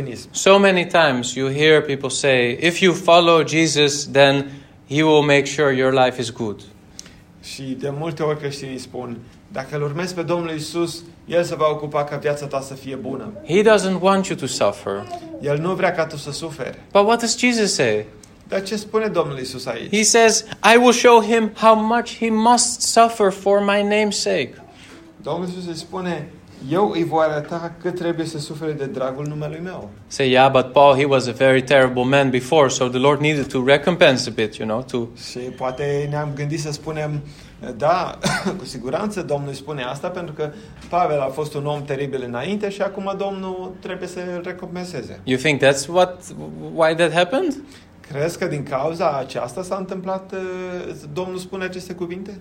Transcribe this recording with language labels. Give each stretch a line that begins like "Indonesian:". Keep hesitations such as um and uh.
English: so many times you hear people say, if you follow Jesus, then he will make sure your life is good.
Romanian: Și de multe ori creștinii spun, dacă îl urmezi pe Domnul Isus, el se va ocupa
English: He doesn't want you to suffer.
Romanian: El nu vrea ca tu să suferi.
English: But what does Jesus say?
Romanian: Dar ce spune Domnul Isus aici?
English: He says, I will show him how much he must suffer for my name's sake.
Romanian: Domnul Iisus îi spune, eu îi voi arăta că trebuie să sufere de dragul numelui meu.
English: Say, yeah, but Paul, he was a very terrible man before, so the Lord needed to recompense a bit, you know, to...
Romanian: Și poate ne-am gândit să spunem, da, cu siguranță Domnul îi spune asta, pentru că Pavel a fost un om teribil înainte și acum Domnul trebuie să îl recompenseze.
English: You think that's what, why that happened?
Romanian: Crezi că din cauza aceasta s-a întâmplat, Domnul spune aceste cuvinte?